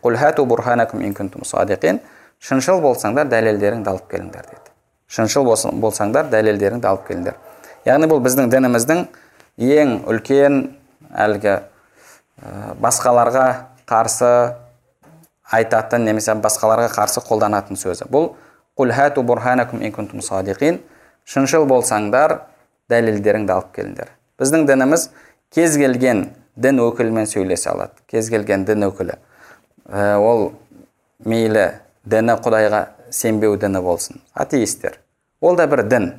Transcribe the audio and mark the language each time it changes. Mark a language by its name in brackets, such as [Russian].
[Arabic] Құл хату бурханакум ин кунтум садиқин. [Kazakh] Шыншыл болсаңдар, дәлелдеріңді алып келіңдер деді. Шыншыл болсаңдар, дәлелдеріңді алып келіңдер. Яғни бұл біздің дініміздің ең үлкен әлгі басқаларға қарсы айтатын немесе басқаларға қарсы қолданатын сөзі. [Arabic] Бұл قُلْ هَاتُوا بُرْهَانَكُمْ إِنْ كُنْتُمْ صَادِقِينَ. [Kazakh] Шыншыл болсаңдар, дәлелдеріңді алып келіңдер. Біздің дініміз кез келген дін өкілімен сөйлесе алады. Кез келген дін өкілі. Ол мейлі діні Құдайға сенбеу діні болсын. Атеистер. Ол да бір дін.